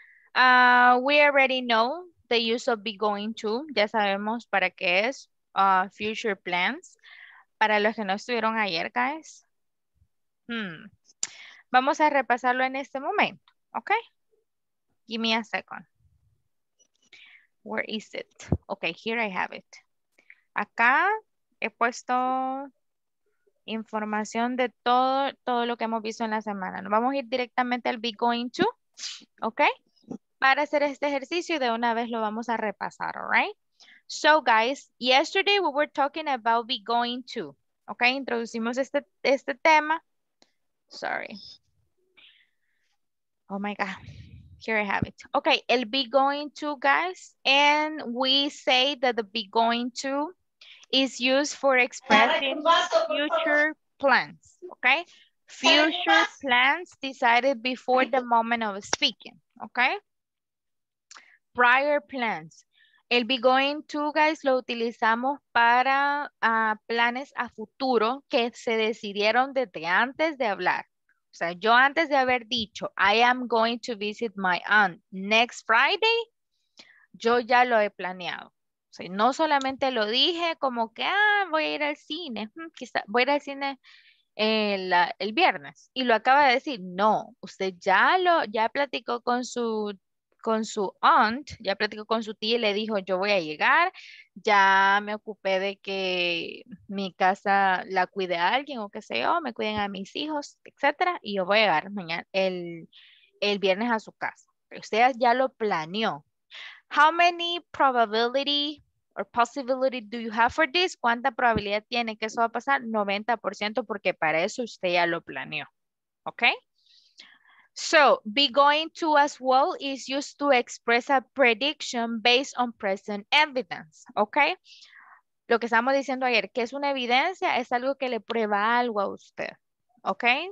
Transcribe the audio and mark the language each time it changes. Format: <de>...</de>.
<en>We already know the use of be going to.</en> <es>Ya sabemos para qué es future plans. Para los que no estuvieron ayer, guys, vamos a repasarlo en este momento, ¿ok?</es> <en>Give me a second. Where is it? Ok, here I have it.</en> <es>Acá he puesto información de todo lo que hemos visto en la semana. Nos vamos a ir directamente al be going to, ¿ok? Para hacer este ejercicio y de una vez lo vamos a repasar,</es> <en>¿all right? So, guys, yesterday we were talking about be going to.</en> <es>Ok, introducimos este tema. Sorry.</es> <en>Oh, my God. Here I have it. Ok, el be going to, guys. And we say that the be going to is used for expressing future plans. Ok, future plans decided before the moment of speaking. Ok, prior plans.</en> <es>El be going to, guys, lo utilizamos para planes a futuro que se decidieron desde antes de hablar. O sea, yo antes de haber dicho,</es> <en>I am going to visit my aunt next Friday,</en> <es>yo ya lo he planeado. O sea, no solamente lo dije como que, voy a ir al cine, quizá voy a ir al cine el viernes. Y lo acaba de decir, no, usted ya platicó con su aunt, ya platicó con su tía y le dijo, yo voy a llegar, ya me ocupé de que mi casa la cuide a alguien o qué sé yo, me cuiden a mis hijos, etcétera, y yo voy a llegar mañana, el viernes a su casa. Usted ya lo planeó.</es> <en>How many probability or possibility do you have for this?</en> <es>¿Cuánta probabilidad tiene que eso va a pasar? 90%, porque para eso usted ya lo planeó, ¿ok?</es> <en>So, be going to as well is used to express a prediction based on present evidence, ¿ok?</en> <es>Lo que estábamos diciendo ayer, que es una evidencia, es algo que le prueba algo a usted, ¿ok?</es>